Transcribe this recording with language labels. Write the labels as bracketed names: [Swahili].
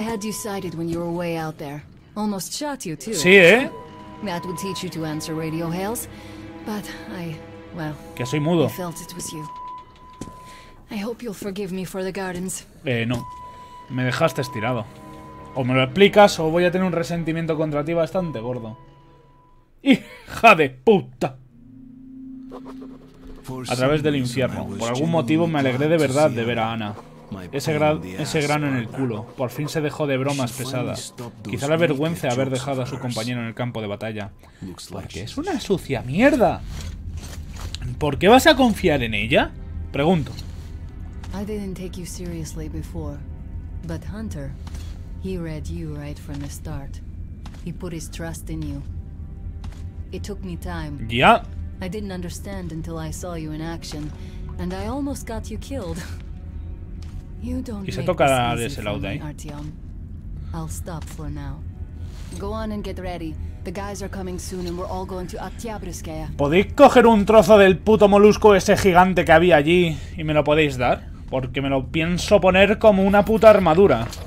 [English] I had you sighted when you were way out there. Almost shot you too. [Spanish] Sí, ¿eh? [English] That would teach you to answer radio hails, but I, well, [Spanish] que soy mudo. [English] I felt it was you. I hope you'll forgive me for the gardens. [Spanish] No. Me dejaste estirado. O me lo explicas o voy a tener un resentimiento contra ti bastante gordo. ¡Hija de puta! A través del infierno. Por algún motivo me alegré de verdad de ver a Ana. Ese grano en el culo. Por fin se dejó de bromas pesadas. Quizá la vergüenza de haber dejado a su compañero en el campo de batalla. Porque es una sucia mierda. ¿Por qué vas a confiar en ella? Pregunto. [English] I didn't take you seriously before, but Hunter, he read you right from the start. He put his trust in you. It took me time. Ya. I didn't understand until I saw you in action, and I almost got you killed. You don't need to make this easy for me. I'll stop for now. Go on and get ready. The guys are coming soon, and we're all going to Oktyabrskaya. [Spanish] ¿Podéis coger un trozo del puto molusco ese gigante que había allí y me lo podéis dar? Porque me lo pienso poner como una puta armadura.